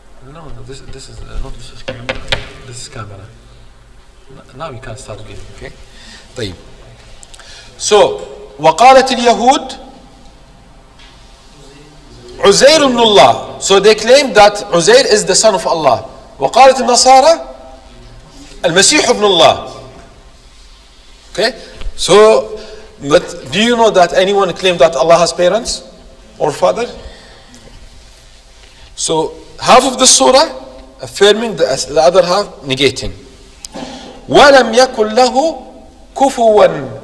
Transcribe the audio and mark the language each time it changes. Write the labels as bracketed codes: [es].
[en] No, this is not this is camera. This is camera. Now we can start again. Okay. [ar] طيب. So. وقالت اليهود عزير بن الله. [en] So they claim that عزير is the son of Allah. [ar] وقالت النصارى المسيح بن الله. [en] Okay. So, but do you know that anyone claimed that Allah has parents or father? So half of the surah affirming, the other half negating. [ar] ولم يكن له كفوا.